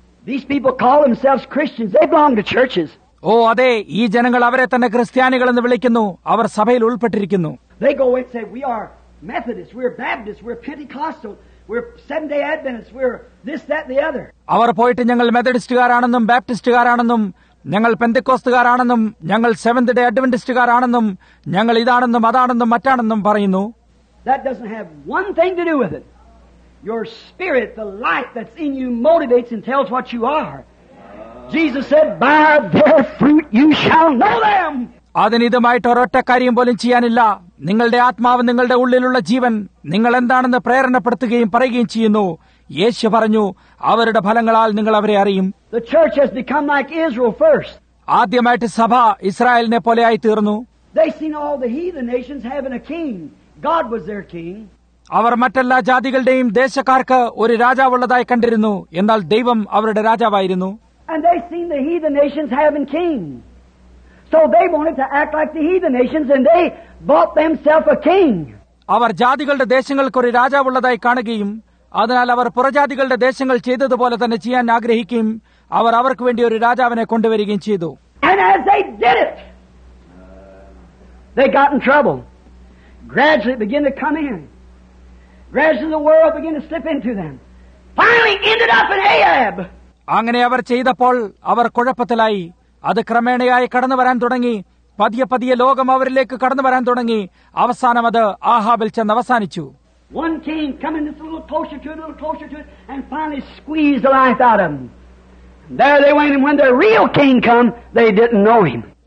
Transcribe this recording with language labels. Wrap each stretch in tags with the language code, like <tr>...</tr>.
<en>These people call themselves Christians. They belong to churches.</en> <ml>ഓ അതെ, ഈ ജനങ്ങൾ അവരെ തന്നെ ക്രിസ്ത്യാനികൾ എന്ന് വിളിക്കുന്നു. അവർ സഭയിൽ ഉൾപ്പെട്ടിരിക്കുന്നു.</ml> <en>They go and say, we are Methodists, we're Baptists, we're Pentecostal, we're Seventh-day Adventists, we're this, that, the other.</en> <ml>അവർ പോയിട്ട് ഞങ്ങൾ മെത്തഡിസ്റ്റുകാരാണെന്നും ബാപ്റ്റിസ്റ്റുകാരാണെന്നും ഞങ്ങൾ പെന്തക്കോസ്തുകാരാണെന്നും ഞങ്ങൾ സെവന്ത് ഡേ അഡ്വന്റിസ്റ്റുകാരാണെന്നും ഞങ്ങൾ ഇതാണെന്നും അതാണെന്നും മറ്റാണെന്നും പറയുന്നു.</ml> <en>That doesn't have one thing to do with it. Your spirit, the light that's in you, motivates and tells what you are. Jesus said, "By their fruit you shall know them."</en> <ml>അതിനിതുമായിട്ട് ഒരൊറ്റ കാര്യം പോലും ചെയ്യാനില്ല. നിങ്ങളുടെ ആത്മാവ്, നിങ്ങളുടെ ഉള്ളിലുള്ള ജീവൻ നിങ്ങൾ എന്താണെന്ന് പ്രേരണപ്പെടുത്തുകയും പറയുകയും ചെയ്യുന്നു. യേശു പറഞ്ഞു, അവരുടെ ഫലങ്ങളാൽ നിങ്ങൾ അവരെ അറിയും.</ml> <en>The church has become like Israel first.</en> <ml>ആദ്യമായിട്ട് സഭ ഇസ്രായേലിനെ പോലെ ആയി തീർന്നു.</ml> <en>They seen all the heathen nations having a king. God was their king.</en> <ml>അവർ മറ്റെല്ലാ ജാതികളുടെയും ദേശക്കാർക്ക് ഒരു രാജാവുള്ളതായി കണ്ടിരുന്നു. എന്നാൽ ദൈവം അവരുടെ രാജാവായിരുന്നു.</ml> <en>And they seen the heathen nations having king. So they wanted to act like the heathen nations and they bought themselves a king.</en> <ml>അവർ ജാതികളുടെ ദേശങ്ങൾക്ക് ഒരു രാജാവുള്ളതായി കാണുകയും അതിനാൽ അവർ പുറജാതികളുടെ ദേശങ്ങൾ ചെയ്തതുപോലെ തന്നെ ചെയ്യാൻ ആഗ്രഹിക്കുകയും അവർ അവർക്ക് വേണ്ടി ഒരു രാജാവിനെ കൊണ്ടുവരികയും ചെയ്തു.</ml> <en>And as they did it, they got in trouble. Gradually began to come in. Gradually the world began to slip into them. Finally ended up in Ahab.</en> <ml>അങ്ങനെ അവർ ചെയ്തപ്പോൾ അവർ കുഴപ്പത്തിലായി. അത് ക്രമേണയായി കടന്നു വരാൻ തുടങ്ങി. പതിയെ പതിയെ ലോകം അവരിലേക്ക് കടന്നു വരാൻ തുടങ്ങി. അവസാനം അത് ആഹാബിൽ ചെന്ന് അവസാനിച്ചു.</ml> <en>One king coming this little closer to it, and finally squeezed the life out of him. There they went, and when the real king came, they didn't know him.</en>